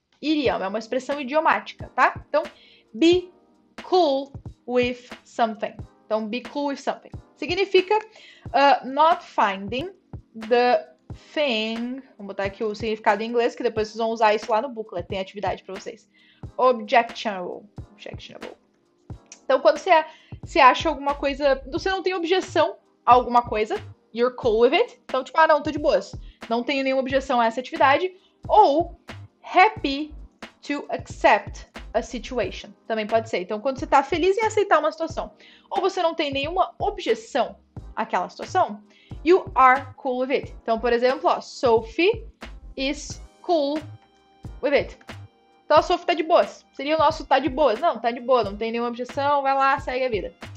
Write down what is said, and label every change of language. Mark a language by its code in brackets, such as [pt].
[pt] idiom, é uma expressão idiomática, tá? [en] Então, be cool with something. Então, be cool with something. [pt] Significa [en] not finding the thing. [pt] Vamos botar aqui o significado em inglês, que depois vocês vão usar isso lá no booklet. Tem atividade pra vocês. [en] Objectionable. [pt] Então, quando você acha alguma coisa... Você não tem objeção a alguma coisa. [en] You're cool with it. [pt] Então, tipo, ah, não, tô de boas. Não tenho nenhuma objeção a essa atividade. [en] Ou, happy to accept a situation. [pt] Também pode ser. Então, quando você tá feliz em aceitar uma situação, ou você não tem nenhuma objeção àquela situação, [en] you are cool with it. [pt] Então, por exemplo, ó, Sophie [en] is cool with it. [pt] Então, a Sophie tá de boas. Seria o nosso tá de boas. Não, tá de boa, não tem nenhuma objeção, vai lá, segue a vida.